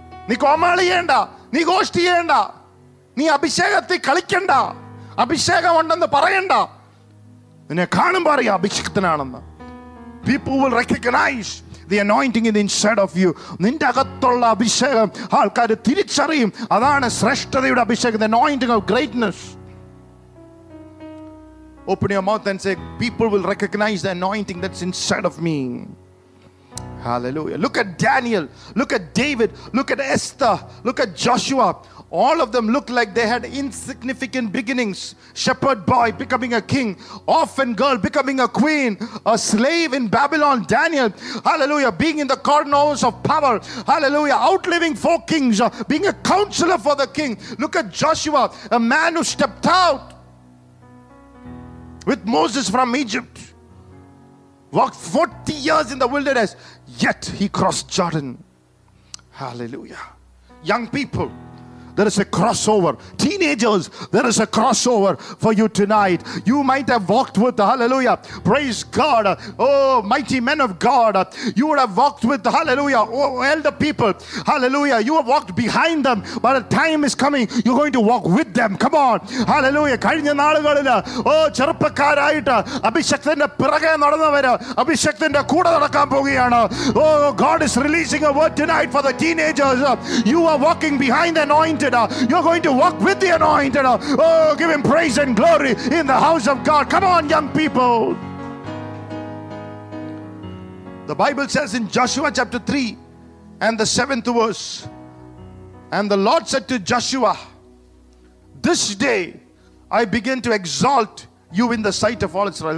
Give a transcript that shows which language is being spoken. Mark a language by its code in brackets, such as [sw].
[ml] നീ കോമാളിയേണ്ട, നീ ഗോഷ്ടി ചെയ്യേണ്ട, നീ അഭിഷേകത്തിൽ കളിക്കണ്ട, അഭിഷേകം ഉണ്ടെന്ന് പറയണ്ട. നിന്നെ കാണുമ്പോൾ അറിയാം അഭിഷേകത്തിനാണെന്ന്. [en] People will recognize the anointing in the inside of you. [ml] നിന്റെ അകത്തുള്ള അഭിഷേകം ആൾക്കാർ തിരിച്ചറിയും. അതാണ് ശ്രേഷ്ഠതയുടെ അഭിഷേകം, [en] the anointing of greatness. Open your mouth and say, people will recognize the anointing that's inside of me. Hallelujah. Look at Daniel, look at David, look at Esther, look at Joshua. All of them looked like they had insignificant beginnings. Shepherd boy becoming a king, orphan girl becoming a queen, a slave in Babylon. Daniel, hallelujah, being in the corners of power, hallelujah, outliving four kings, being a counselor for the king. Look at Joshua, a man who stepped out with Moses from Egypt, walked 40 years in the wilderness, yet he crossed Jordan. Hallelujah. Young people, there is a crossover. Teenagers, there is a crossover for you tonight. You might have walked with, hallelujah, praise God, oh mighty men of God, you would have walked with, hallelujah, oh elder people, hallelujah, you have walked behind them, but the time is coming, you're going to walk with them. Come on, hallelujah. [ml] കഴിഞ്ഞ നാളുകളിൽ ഓ ചെറുപ്പക്കാരായിട്ട് അഭിഷേകത്തിന്റെ പിറകെ നടന്നവര് അഭിഷേകത്തിന്റെ കൂടെ നടക്കാൻ പോവുകയാണ്. [en] Oh God is releasing a word tonight for the teenagers. You are walking behind the anointed, you are going to walk with the anointed. Oh, give him praise and glory in the house of God. Come on, young people. The Bible says in Joshua chapter 3 and the 7th verse, and the Lord said to Joshua, this day I begin to exalt you in the sight of all Israel.